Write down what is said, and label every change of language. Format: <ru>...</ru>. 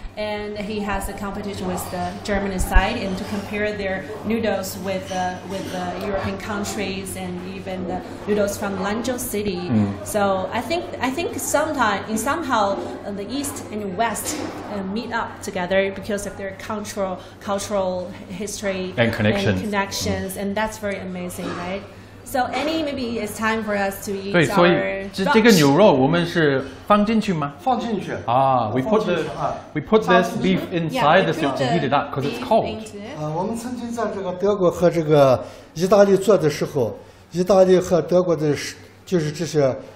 <en>And he has a competition with the German side and to compare their noodles with the European countries and even the noodles from Lanzhou City. Mm. So I think somehow the East and West meet up together because of their cultural history and connections. And connections. Mm. And that's very amazing, right? So Annie, maybe it's time for us to eat</en> <zh>对,</zh> <en>our...</en> <zh>所以这个牛肉我们是放进去吗? 放进去。</zh> <en>Ah, we put this beef inside the soup to heat it up, because it's cold.</en> <zh>我们曾经在德国和意大利做的时候,意大利和德国的就是这些...</zh>